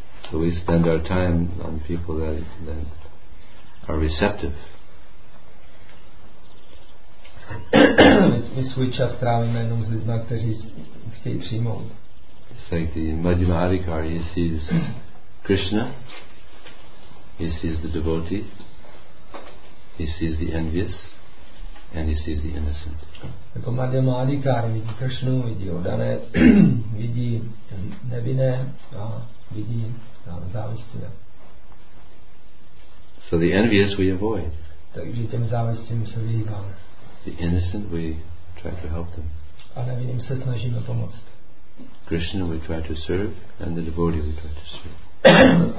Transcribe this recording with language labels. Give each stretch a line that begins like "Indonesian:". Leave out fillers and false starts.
English: So we spend our time on people that are receptive.
Czech: My svůj čas trávíme jenom s lidmi, kteří chtějí přijmout.
English: It's like the Madhyama Adhikar, he sees Krishna, he sees the devotee, he sees the envious, and he sees the innocent.
Czech: Jako Madhyama Adhikar vidí Krishnu, vidí oddané, vidí nevinné a vidí závistivé.
English: So the envious we avoid.
Czech: Takže těm závistivým se vyhýbáme.
English: The innocent we try to help them.
Czech: A nevinným se snažíme pomoct.
English: Krishna we try to serve, and the devotee we try to serve.